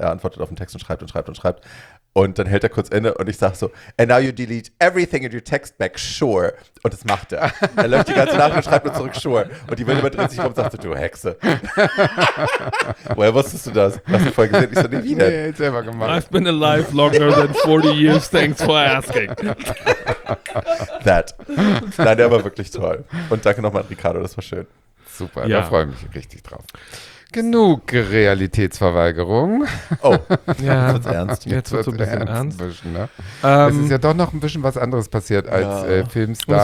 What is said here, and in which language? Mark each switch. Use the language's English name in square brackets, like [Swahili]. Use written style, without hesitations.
[German] Er antwortet auf den Text und schreibt und schreibt und schreibt. Und dann hält er kurz inne und ich sage so, [English] and now you delete everything in your text back, sure. [German] Und das macht er. Er läuft die ganze Nacht und schreibt nur zurück, sure. Und die Welt überdreht sich rum und sagt so, du Hexe. Woher wusstest du das? Hast du vorher gesehen? Ich so, nee, wie denn? Nee, selber gemacht. [English] I've been alive longer than 40 years, thanks for asking. That. [German] Nein, der war wirklich toll. Und danke nochmal an Ricardo, das war schön. Super, ja. Da freue ich mich richtig drauf. Genug Realitätsverweigerung. Oh, ja. Jetzt wird's ernst. Jetzt wird's ein bisschen ernst. Ein bisschen, ne? Es ist ja doch noch ein bisschen was anderes passiert als Filmstars.